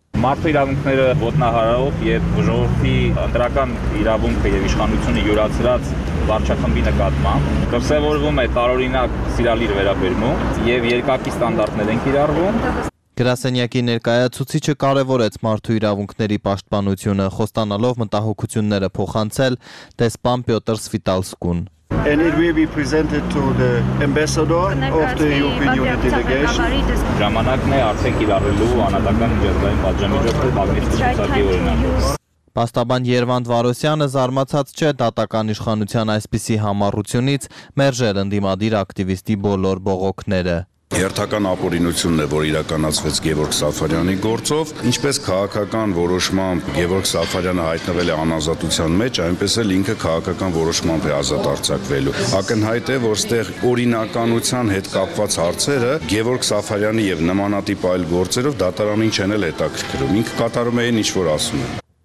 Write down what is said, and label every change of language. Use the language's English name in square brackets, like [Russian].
[Armenian] Մարդու իրավունքները ոտնահարելով եւ ժողովրդի ընտրական իրավունքը եւ իշխանությունը յուրացրած վարչախմբի նկատմամբ դրսեւորվում է տարօրինակ սիրալիր վերաբերմունք եւ երկակի ստանդարտներ են կիրառվում։ Գրասենյակի ներկայացուցիչը կարևորեց մարդու իրավունքների պաշտպանությունը, խոստանալով մտահոգությունները փոխանցել դեսպան Պյոտր Սվիտալսկուն։ [English] And it will be presented to the ambassador of the European Union delegation. [Armenian] Ժամանակն է արդեն կիրառելու անհատական միջազգային պատժամիջոցը մագնիտսկի օրինակ։ Պաստաբան Երվանդ Վարոսյանը զարմացած չէ դատական իշխանության այսպիսի համառությունից մերժել ընդդիմադիր ակտիվիստի բոլոր բողոքները։ Հերթական ապօրինությունն է, որ իրականացվեց Գևորգ Սաֆարյանի գործով, ինչպես քաղաքական որոշմամբ Գևորգ Սաֆարյանը հայտնվել է անազատության մեջ, այնպես էլ ինքը քաղաքական որոշմամբ է ազատ արձակվելու։ Ակնհայտ է, որ ստեղ օրինականության հետ կապված հարցերը Գևորգ Սաֆարյանի եւ նմանատիպ այլ գործերով դատարանին չեն էլ հետաքրքրում, ինքը կատարում է այն, ինչ որ ասում է։